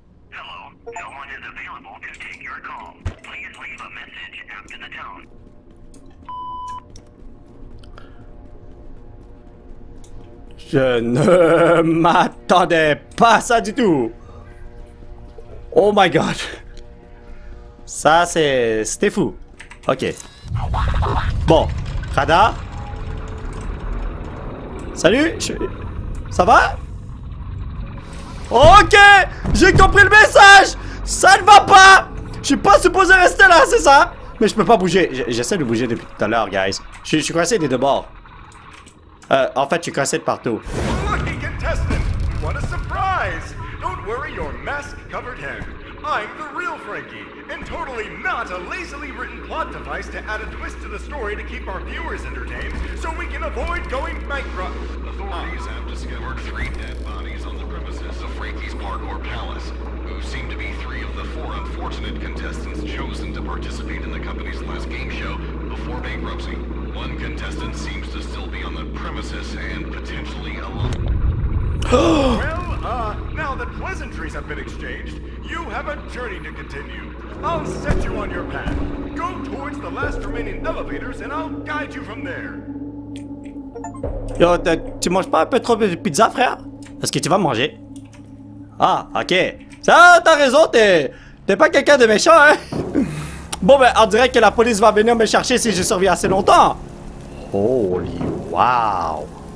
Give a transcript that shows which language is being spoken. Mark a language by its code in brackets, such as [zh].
[en] Hello, no one is available to take your call. Please leave a message after the tone. [fr] Je ne m'attendais pas ça du tout. [en] Oh my god. [fr] Ça c'était fou. Ok. Bon, radar. Salut, ça va? Ok, j'ai compris le message. Ça ne va pas. Je suis pas supposé rester là, c'est ça? Mais je peux pas bouger, j'essaie de bouger depuis tout à l'heure, guys. Je suis coincé des deux bords. En fait, je suis coincé de partout. [en] Lucky contestant, what a surprise! Don't worry, your mask covered him. I'm the real Frankie, and totally not a lazily written plot device to add a twist to the story to keep our viewers entertained, so we can avoid going bankrupt. Authorities have discovered 3 dead bodies on the premises of Frankie's Parkour Palace, who seem to be 3 of the 4 unfortunate contestants chosen to participate in the company's last game show before bankruptcy. One contestant seems to still be on the premises and potentially alone. Well, now that pleasantries have been exchanged, you have a journey to continue. I'll set you on your path. Go towards the last remaining elevators and I'll guide you from there. [fr] Yo, tu manges pas un peu trop de pizza, frère? Est-ce que tu vas manger? Ah, ok. Ça, t'as raison, t'es pas quelqu'un de méchant, hein? Bon, ben, on dirait que la police va venir me chercher si j'ai survécu assez longtemps. [en] Holy wow.